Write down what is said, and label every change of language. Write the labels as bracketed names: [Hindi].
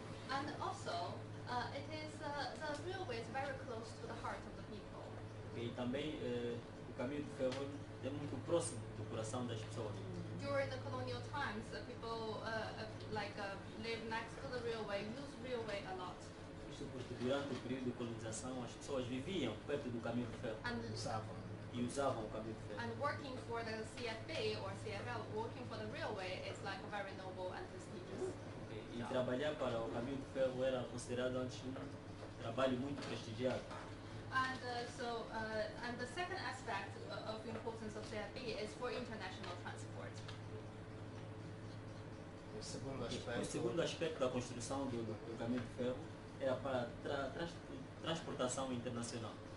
[English] And also, it is the railway is very close to the heart of the people. [Portuguese] E também o caminho de ferro é muito próximo do coração das pessoas. [English] During the colonial times, the people live next to the railway, use railway a lot. [Portuguese] Isso porque durante o período de colonização as pessoas viviam perto do caminho de ferro. E usavam o caminho de ferro. [English] And working for the CFB or CFL, working for the railway is like very noble and prestigious. [Portuguese] E trabalhar para o caminho de ferro era considerado antes um trabalho muito prestigiado. [English] And the second aspect of importance of CFB is for international transport. [Portuguese] O segundo aspecto da construção do caminho de ferro era para transportação internacional.